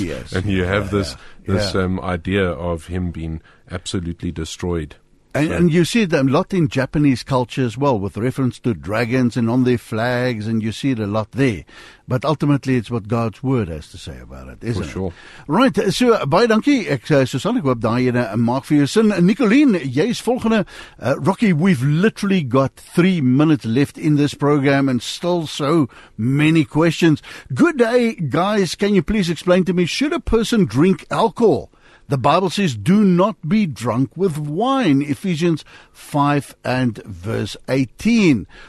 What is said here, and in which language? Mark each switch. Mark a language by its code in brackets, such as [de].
[en] Yes. And you have this idea of him being absolutely destroyed. And you see it a lot in Japanese culture as well, with reference to dragons and on their flags, and you see it a lot there. But ultimately, it's what God's Word has to say about it, isn't it? For sure. Right, so, [af] baie dankie, ek, Susan, ek hoop daar jy maak vir jou sin. Nicoline, jy is volgende. [en] Rocky, we've literally got 3 minutes left in this program and still so many questions. Good day, guys. Can you please explain to me, should a person drink alcohol? The Bible says, do not be drunk with wine, Ephesians 5 and verse 18.